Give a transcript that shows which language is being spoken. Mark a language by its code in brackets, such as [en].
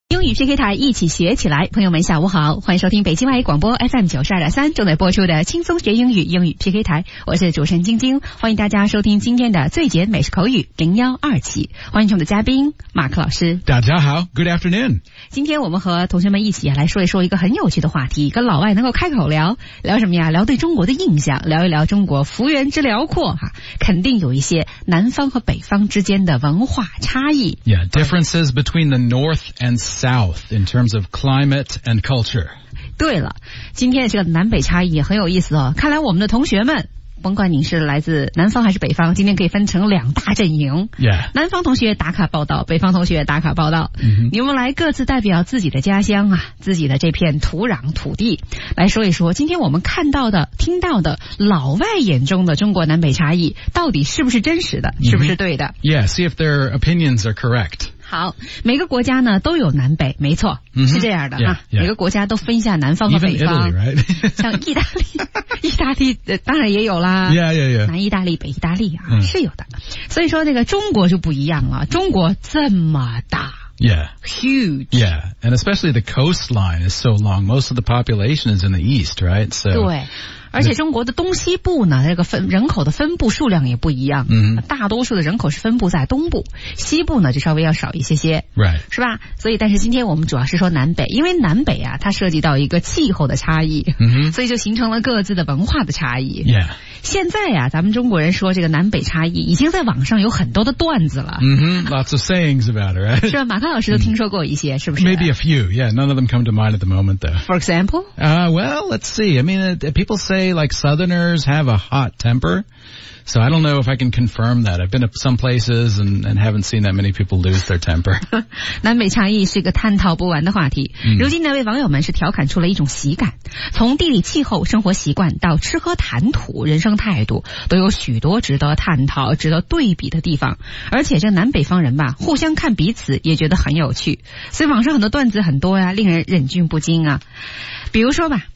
[zh] 英语 PK 台一起学起来，朋友们下午好，欢迎收听北京外语广播 FM92.3 正在播出的轻松学英语英语 PK 台，我是主持人晶晶，欢迎大家收听今天的最简美式口语012期，欢迎我们的嘉宾马克老师。大家好， [en] Good afternoon。 [zh] 今天我们和同学们一起来说一说一个很有趣的话题，跟老外能够开口聊聊什么呀，聊对中国的印象，聊一聊中国幅员之辽阔哈，肯定有一些南方和北方之间的文化差异。 [en] Yeah, differences between the North and South in terms of climate and culture. [zh] 对了，今天这个南北差异很有意思哦。看来我们的同学们，甭管你是来自南方还是北方，今天可以分成两大阵营。 [en] Yeah. [zh] 南方同学打卡报道，北方同学打卡报道。 Mm-hmm. 你们来各自代表自己的家乡啊，自己的这片土壤土地，来说一说今天我们看到的、听到的老外眼中的中国南北差异到底是不是真实的， mm-hmm. 是不是对的 [en] ？Yeah, see if their opinions are correct. [zh] 好，每个国家呢都有南北，没错、 mm-hmm. 是这样的 [en] yeah, yeah. [zh] 每个国家都分一下南方和北方 [en] Italy,、right? [zh] 像意大利意大利、当然也有啦 [en] yeah, yeah, yeah. [zh] 南意大利北意大利、啊 mm. 是有的，所以说那个中国就不一样了，中国这么大 [en] yeah. huge yeah. and especially the coastline is so long, most of the population is in the east, right? [zh] So, 对，而且中国的东西部呢，这个人口的分布数量也不一样。嗯，大多数的人口是分布在东部，西部呢就稍微要少一些些。 [en] Right. [zh] 是吧？所以，但是今天我们主要是说南北，因为南北啊，它涉及到一个气候的差异，嗯，所以就形成了各自的文化的差异。 [en] Yeah. [zh] 现在啊，咱们中国人说这个南北差异，已经在网上有很多的段子了。 [en] 嗯哼 ，lots of sayings about it, right? [zh] 是吧？马克老师都听说过一些， mm-hmm. 是不是 [en] ？Maybe a few. Yeah, none of them come to mind at the moment, though. For example? Well, let's see. I mean, people say. Like southerners have a hot temper, so I don't know if I can confirm that. I've been to some places and haven't seen that many people lose their temper. [zh] 南北差异是一个探讨不完的话题。如今呢，为网友们是调侃出了一种喜感，从地理气候、生活习惯到吃喝谈吐、人生态度，都有许多值得探讨、值得对比的地方。而且这南北方人吧，互相看彼此也觉得很有趣，所以网上很多段子很多呀、啊，令人忍俊不禁啊。比如说吧。